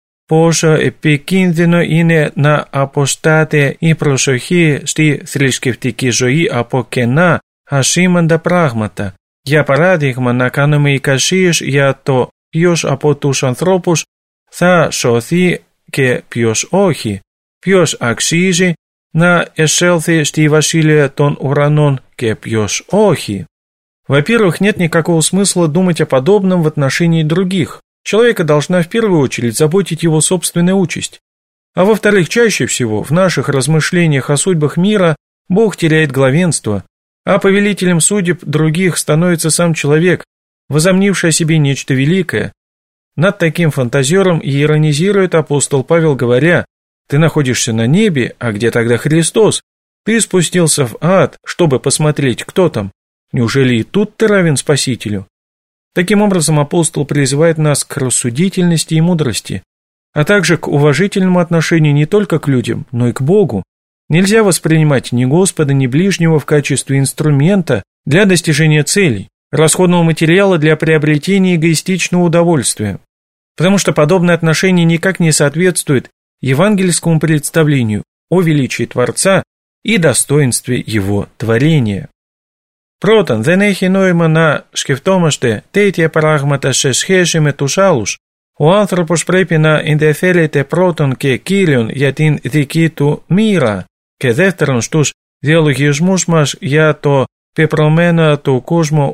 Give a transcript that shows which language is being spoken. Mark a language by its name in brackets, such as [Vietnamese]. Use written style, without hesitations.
[Greek] Πόσο επικίνδυνο είναι να αποστάται η προσοχή στη θρησκευτική ζωή από κενά, ασήμαντα πράγματα. Για παράδειγμα, να κάνουμε εικασίες για το ποιος από τους ανθρώπους θα σωθεί και ποιος όχι. Ποιος αξίζει να εισέλθει στη Βασίλεια των Ουρανών και ποιος όχι. [Russian] Во-первых, нет никакого смысла думать о подобном в отношении других. Человека должна в первую очередь заботить его собственная участь. А во-вторых, чаще всего в наших размышлениях о судьбах мира Бог теряет главенство, а повелителем судеб других становится сам человек, возомнивший о себе нечто великое. Над таким фантазером иронизирует апостол Павел, говоря: «Ты находишься на небе, а где тогда Христос? Ты спустился в ад, чтобы посмотреть, кто там. Неужели и тут ты равен Спасителю?» Таким образом, апостол призывает нас к рассудительности и мудрости, а также к уважительному отношению не только к людям, но и к Богу. Нельзя воспринимать ни Господа, ни ближнего в качестве инструмента для достижения целей, расходного материала для приобретения эгоистичного удовольствия. Потому что подобное отношение никак не соответствует евангельскому представлению о величии Творца и достоинстве Его творения. [Greek] Πρώτον, δεν έχει νόημα να σκεφτόμαστε τέτοια πράγματα σε σχέση με τους άλλους. Ο άνθρωπος πρέπει να ενδιαφέρεται πρώτον και κύριον για την δική του μοίρα και δεύτερον στους διαλογισμούς μας για το πεπρωμένο του κόσμου.